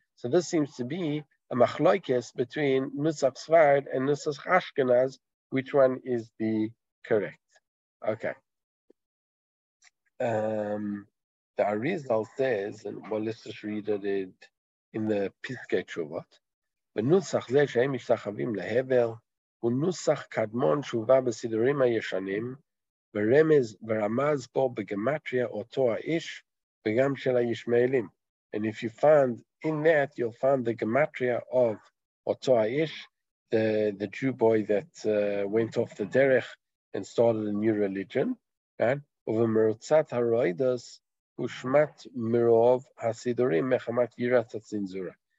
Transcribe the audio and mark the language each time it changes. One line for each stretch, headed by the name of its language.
English: So this seems to be a machloikes between Nusach Svard and Nusach Ashkenaz, which one is the correct? Okay. The Arizal says, and well, let's just read it in the Piskei Tshuvot.
Hebrew: בנוסח זה שהם משתחווים להבל, הוא נוסח קדמון שהובא בסידורים הישנים, ורמז ורמז בו בגמטריה אותו האיש, וגם של הישמעאלים.
English: And if you find in that, you'll find the gematria of
Hebrew: אותו האיש,
English: the Jew boy that went off the derech and started a new religion, right?
Hebrew: ובמרוצת הרועידוס, הושמט מרוב הסידורים מחמת יראת הצנזורה.